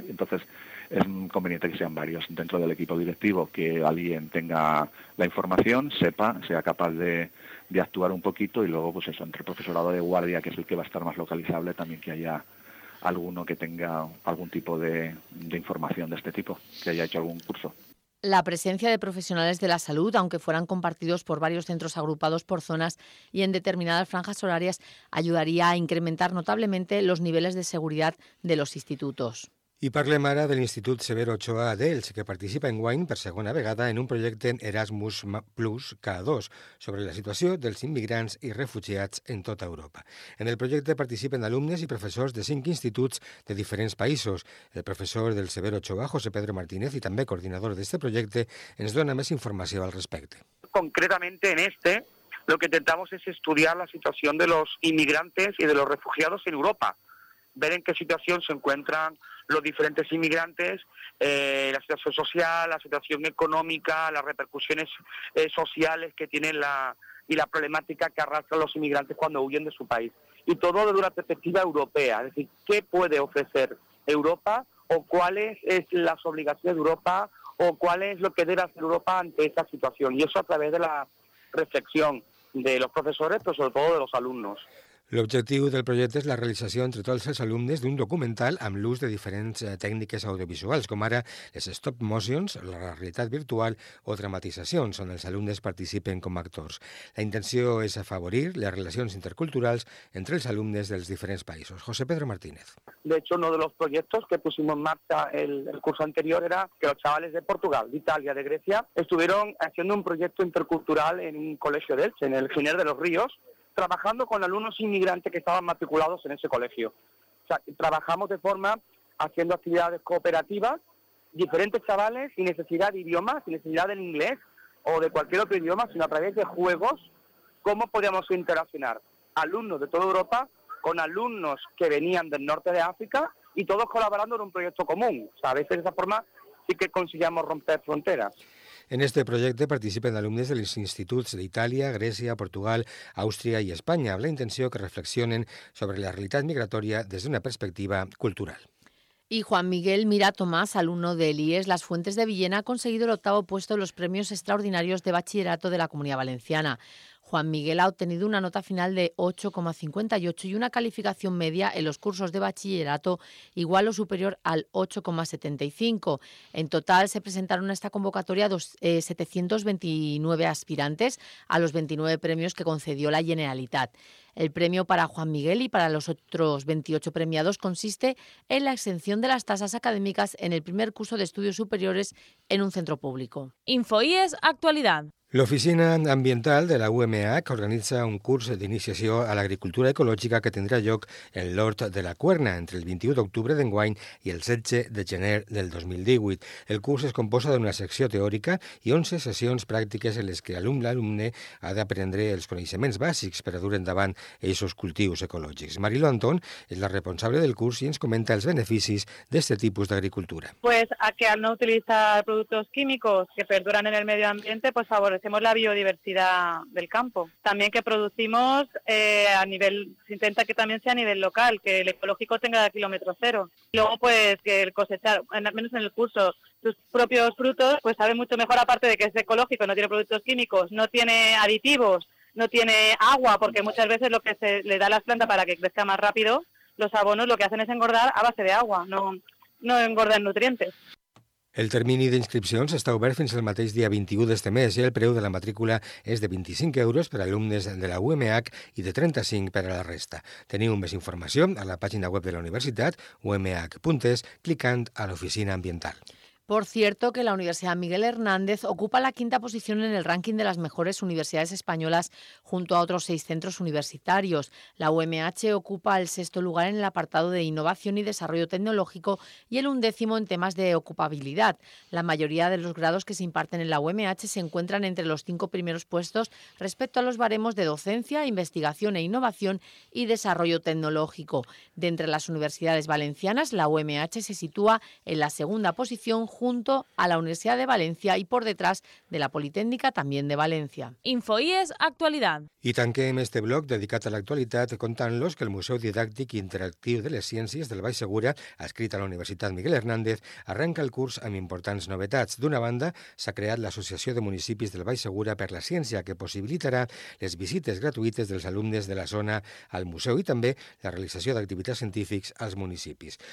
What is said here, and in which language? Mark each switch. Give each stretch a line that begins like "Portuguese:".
Spanish: Entonces es conveniente que sean varios dentro del equipo directivo, que alguien tenga la información, sepa, sea capaz de actuar un poquito y luego pues eso, entre el profesorado de guardia, que es el que va a estar más localizable, también que haya alguno que tenga algún tipo de información de este tipo, que haya hecho algún curso. La presencia de profesionales de la salud, aunque fueran compartidos por varios centros agrupados por zonas y en determinadas franjas horarias, ayudaría a incrementar notablemente los niveles de seguridad de los institutos.
Catalan: Y Parle Mara, del Institut Severo Ochoa de Elche, que participa en Wine per segona vegada en un projecte en Erasmus Plus K2 sobre la situació dels immigrants i refugiats en tota Europa. En el projecte participen alumnes i professors de 5 instituts de diferents països. El professor del Severo Ochoa, José Pedro Martínez, i també coordinador d'este projecte, ens dona més informació al respecte.
Spanish: Concretamente en este, lo que intentamos es estudiar la situación de los inmigrantes y de los refugiados en Europa. Ver en qué situación se encuentran los diferentes inmigrantes, la situación social, la situación económica, las repercusiones sociales que tienen y la problemática que arrastran los inmigrantes cuando huyen de su país. Y todo desde una perspectiva europea, es decir, qué puede ofrecer Europa o cuáles son las obligaciones de Europa o cuál es lo que debe hacer Europa ante esta situación. Y eso a través de la reflexión de los profesores, pero sobre todo de los alumnos.
Catalan: L'objectiu del projecte és la realització entre tots els alumnes d'un documental amb l'ús de diferents tècniques audiovisuals, com ara les stop motions, la realitat virtual o dramatitzacions, on els alumnes participen com a actors. La intenció és afavorir les relacions interculturals entre els alumnes dels diferents països. José Pedro Martínez.
Spanish: De hecho, uno de los proyectos que pusimos en marcha el curso anterior era que los chavales de Portugal, de Italia, de Grecia, estuvieron haciendo un proyecto intercultural en un colegio de Elche, en el Giner de los Ríos, trabajando con alumnos inmigrantes que estaban matriculados en ese colegio. O sea, trabajamos de forma haciendo actividades cooperativas, diferentes chavales sin necesidad de idiomas, sin necesidad del inglés o de cualquier otro idioma, sino a través de juegos, cómo podíamos interaccionar alumnos de toda Europa con alumnos que venían del norte de África y todos colaborando en un proyecto común. O sea, a veces de esa forma sí que conseguíamos romper fronteras.
Catalan: En este projecte participen alumnes de los instituts d'Itàlia, Grècia, Portugal, Àustria i Espanya, amb la intenció que reflexionen sobre la realitat migratòria des d'una perspectiva cultural.
Spanish: Y Juan Miguel Mira Tomás, alumno del IES Las Fuentes de Villena, ha conseguido el octavo puesto en los premios extraordinarios de bachillerato de la Comunidad Valenciana. Juan Miguel ha obtenido una nota final de 8,58 y una calificación media en los cursos de bachillerato igual o superior al 8,75. En total se presentaron a esta convocatoria 729 aspirantes a los 29 premios que concedió la Generalitat. El premio para Juan Miguel y para los otros 28 premiados consiste en la exención de las tasas académicas en el primer curso de estudios superiores en un centro público. InfoIES Actualidad.
Catalan: L'Oficina Ambiental de la UMH organitza un curs d'iniciació a l'agricultura ecològica que tindrà lloc en l'Hort de la Cuerna entre el 21 d'octubre d'enguany i el 16 de gener del 2018. El curs es composa d'una secció teòrica i 11 sessions pràctiques en les que l'alumne ha d'aprendre els coneixements bàsics per a dur endavant aquests cultius ecològics. Marilo Anton és la responsable del curs i ens comenta els beneficis d'aquest tipus d'agricultura.
Spanish: Pues a que al no utilizar productos químicos que perduran en el medio ambiente, pues favor la biodiversidad del campo. También que producimos a nivel, se intenta que también sea a nivel local, que el ecológico tenga kilómetro cero. Luego, pues, que el cosechar, al menos en el curso, sus propios frutos, pues sabe mucho mejor, aparte de que es ecológico, no tiene productos químicos, no tiene aditivos, no tiene agua, porque muchas veces lo que se le da a las plantas para que crezca más rápido, los abonos lo que hacen es engordar a base de agua, no engordan nutrientes.
Catalan: El termini d'inscripció s'està obert fins al mateix dia 21 d'este mes i el preu de la matrícula és de 25 euros per a alumnes de la UMH i de 35 per a la resta. Teniu més informació a la pàgina web de la universitat, umh.es, clicant a l'oficina ambiental.
Spanish: Por cierto, que la Universidad Miguel Hernández ocupa la quinta posición en el ranking de las mejores universidades españolas junto a otros 6 centros universitarios. La UMH ocupa el 6º lugar en el apartado de innovación y desarrollo tecnológico y el 11º en temas de ocupabilidad. La mayoría de los grados que se imparten en la UMH se encuentran entre los 5 primeros puestos respecto a los baremos de docencia, investigación e innovación y desarrollo tecnológico. De entre las universidades valencianas, la UMH se sitúa en la segunda posición junto a la Universidad de Valencia y por detrás de la Politécnica también de Valencia. InfoIES Actualidad.
Catalan: I tanquem este bloc dedicat a l'actualitat contant-los que el Museu Didàctic i Interactiu de les Ciències del Baix Segura, adscrit a la Universitat Miguel Hernández, arrenca el curs amb importants novetats. D'una banda, s'ha creat l'Associació de Municipis del Baix Segura per la Ciència, que possibilitarà les visites gratuïtes dels alumnes de la zona al museu i també la realització d'activitats científics als municipis.